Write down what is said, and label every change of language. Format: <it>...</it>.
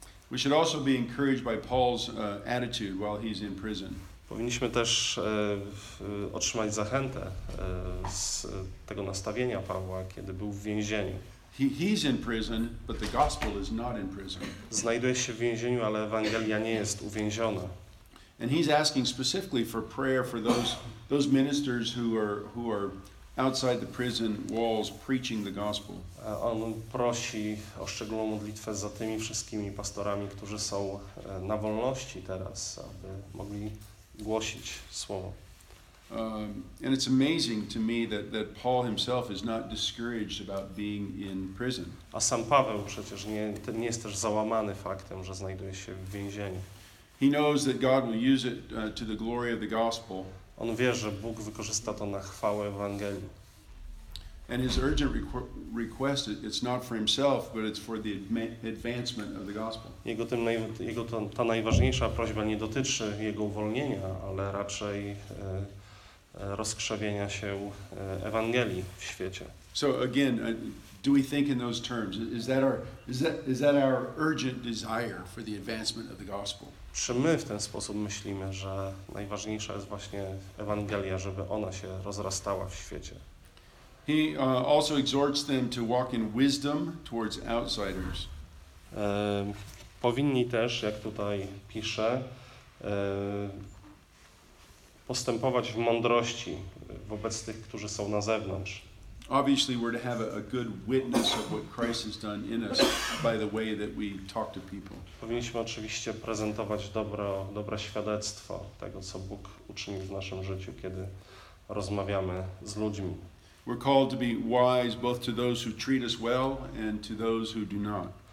<en>We should also be encouraged by Paul's attitude while he's in prison.</en> <pl>Powinniśmy też otrzymać zachętę z tego nastawienia Pawła, kiedy był w więzieniu.</pl> <en>He's in prison, but the gospel is not in prison.</en> <pl>Znajduje się w więzieniu, ale Ewangelia nie jest uwięziona.</pl> <en>And he's asking specifically for prayer for those ministers who are outside the prison walls preaching the gospel.</en> <pl>On prosi o szczególną modlitwę za tymi wszystkimi pastorami, którzy są na wolności teraz, aby mogli głosić słowo.</pl> <en>And it's amazing to me that Paul himself is not discouraged about being in prison.</en> <pl>A sam Paweł przecież nie jest też załamany faktem, że znajduje się w więzieniu.</pl> <en>He knows that God will use it to the glory of the gospel.</en> <pl>On wie, że Bóg wykorzysta to na chwałę Ewangelii.</pl> <en>And his urgent request, it's not for himself, but it's for the advancement of the gospel.</en> <pl>Ta najważniejsza prośba nie dotyczy jego uwolnienia, ale raczej rozkrzewienia się Ewangelii w świecie.</pl> <en>So again, do we think in those terms? Is that our urgent desire for the advancement of the gospel?</en> <pl>Czy my w ten sposób myślimy, że najważniejsza jest właśnie Ewangelia, żeby ona się rozrastała w świecie?</pl> <en>He also exhorts them to walk in wisdom towards outsiders.</en> <pl>Powinni też, jak tutaj pisze, postępować w mądrości wobec tych, którzy są na zewnątrz.</pl> <en>Obviously we're to have a good witness of what Christ has done in us by the way that we talk to people.</en> <pl>Powinniśmy oczywiście prezentować dobre świadectwo tego, co Bóg uczynił w naszym życiu, kiedy rozmawiamy z ludźmi.</pl> <en>We're called to be wise both to those who treat us well and to those who do not.</en>